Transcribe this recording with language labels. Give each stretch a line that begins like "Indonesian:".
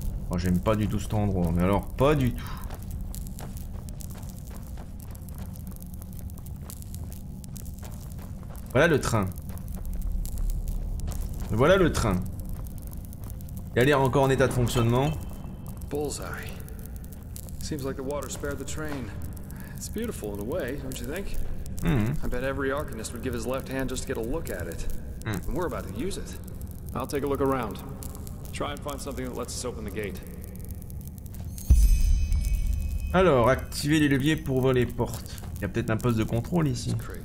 French: Oh, j'aime pas du tout cet endroit, mais alors pas du tout. Voilà le train. Voilà le train. Il a l'air encore en état de fonctionnement.
English: Bullseye. Seems like the water spared the train. It's beautiful in a way, don't you think? I bet every arcanist would give his left hand just to get a look at it. And we're about to use it. I'll take a look around. Try and find something that lets us open the gate.
French: Alors, activer les leviers pour ouvrir les portes. Il y a peut-être un poste de contrôle ici.